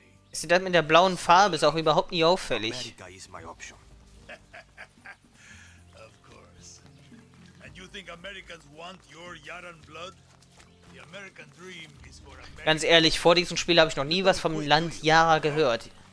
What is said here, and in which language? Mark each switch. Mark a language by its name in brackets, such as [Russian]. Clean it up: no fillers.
[German] Ist das mit der blauen Farbe ist auch überhaupt nie auffällig. [English] Of course. And you think Americans want your Yaran blood? The American dream is for America. [German] Ganz ehrlich, vor diesem Spiel habe ich noch nie was vom Land Yara gehört.